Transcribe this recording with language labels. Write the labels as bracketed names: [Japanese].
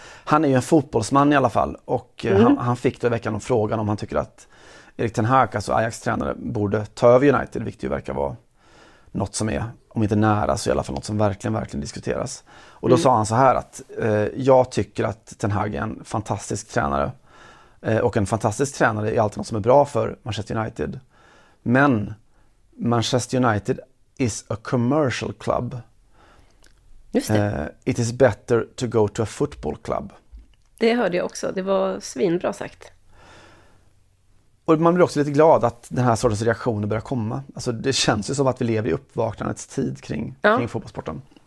[Swedish] Han är ju en fotbollsman i alla fall. Och han fick då i veckan frågan om han tycker att Erik ten Hag, alltså Ajax-tränare, borde ta över United, vilket ju verkar vara något som är, om inte nära, så i alla fall något som verkligen, verkligen diskuteras. Och då sa han så här att jag tycker att ten Hag är en fantastisk tränare. Och en fantastisk tränare är alltid något som är bra för Manchester United. [English] Men Manchester United is a commercial club. [Swedish] Just det. [English] It is better to go to a football club. [Swedish] Det hörde jag också. Det var svinbra sagt. Och man blir också lite glad att den här sortens reaktioner börjar komma. Alltså, det känns ju som att vi lever i uppvaknandets tid kring fotbollssporten.